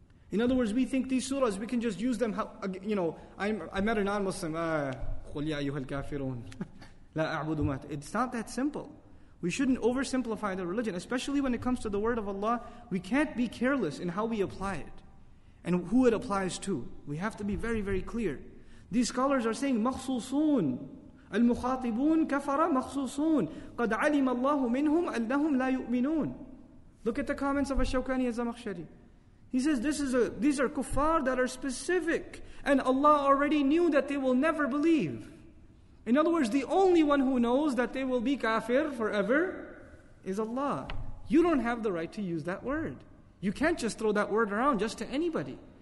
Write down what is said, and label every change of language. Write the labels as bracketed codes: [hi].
[en] In other words, we think these surahs, we can just use them, I met a non-Muslim, [ar] قُلْ يَا أَيُّهَا الْكَافِرُونَ لَا أَعْبُدُ مَاتِ. [en] It's not that simple. We shouldn't oversimplify the religion, especially when it comes to the word of Allah. We can't be careless in how we apply it and who it applies to. We have to be very, very clear. These scholars are saying, [ar] مَخْصُوصُونَ المخاطبون كفر مخصوصون قد علم الله منهم أنهم لا يؤمنون. [en] Look at the comments of Ash-Shawkani Az-Zamakhshari. He says these are kuffar that are specific, and Allah already knew that they will never believe. In other words, the only one who knows that they will be kafir forever is Allah. You don't have the right to use that word. You can't just throw that word around just to anybody.